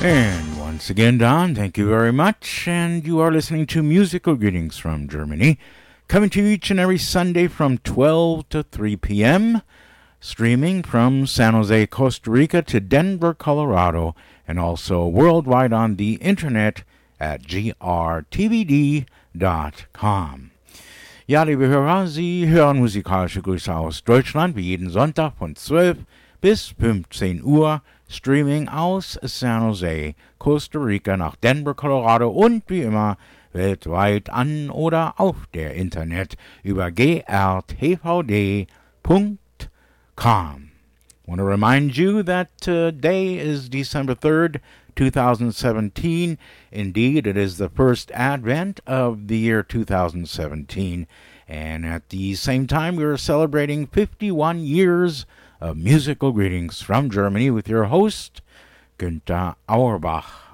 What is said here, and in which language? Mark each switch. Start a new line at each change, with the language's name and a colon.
English: And once again, Don, thank you very much. And you are listening to Musical Greetings from Germany, coming to you each and every Sunday from 12 to 3 p.m., streaming from San Jose, Costa Rica to Denver, Colorado, and also worldwide on the internet at grtvd.com.
German: Ja, liebe Hörer, Sie hören musikalische Grüße aus Deutschland, wie jeden Sonntag von 12 bis 15 Uhr, streaming aus San Jose, Costa Rica nach Denver, Colorado und wie immer weltweit an oder auf der Internet über grtvd.com.
English: Want to remind you that today is December 3rd, 2017. Indeed, it is the first advent of the year 2017. And at the same time, we are celebrating 51 years of musical greetings from Germany with your host, Günter Auerbach.